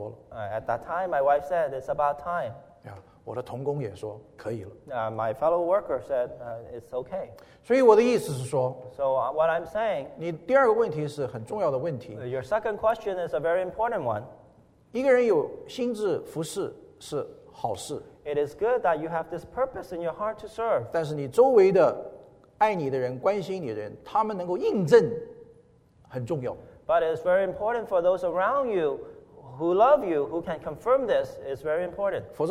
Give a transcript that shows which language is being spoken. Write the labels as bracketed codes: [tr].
[en] At that time, my wife said, it's about time. [zh] Yeah, 我的同工也说, 可以了。 [en] My fellow worker said, it's okay. [zh] 所以我的意思是说, [en] so what I'm saying, [zh] 你第二个问题是很重要的问题, [en] your second question is a very important one. [zh] 一个人有心智服侍是好事, [en] it is good that you have this purpose in your heart to serve. [zh] 但是你周围的爱你的人、关心你的人, 他们能够印证很重要。 [en] But it's very important for those around you who love you, who can confirm this, is very important.